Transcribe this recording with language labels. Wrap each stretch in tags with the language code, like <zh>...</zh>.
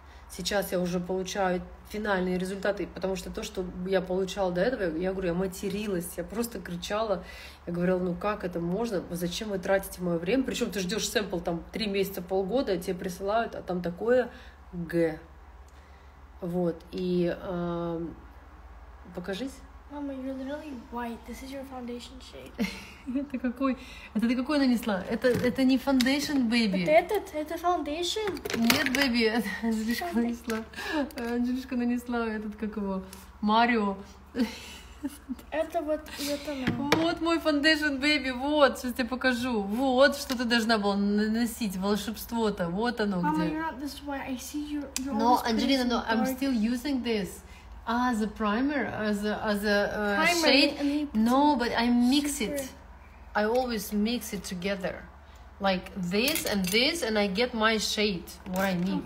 <ru>Сейчас я уже получаю финальные результаты, потому что то, что я получала до этого, я говорю, я материлась, я просто кричала, я говорила, ну как это можно, зачем вы тратите мое время, причем ты ждешь сэмпл там 3 месяца, полгода, тебе присылают, а там такое г. Вот, и покажись.</ru> <en>Мама, you're literally white. This is your foundation shade.</en> <ru>Это какой? Это ты какой нанесла? Это не foundation, baby. Это foundation. Нет, baby, Анжелишка нанесла. Анжелишка нанесла этот, как его, Марио. Это вот, это нам. Вот мой foundation, baby, вот, сейчас тебе покажу. Вот, что ты должна была наносить, волшебство-то, вот оно.</ru> <en>Mama, Mama, you're not this white, I see you. No,</en> <ru>Анжелина,</ru> <en>no, I'm still using this as a primer, as a primer, shade. No, but I mix it. I always mix it together. Like this, and I get my shade, what I need.</en>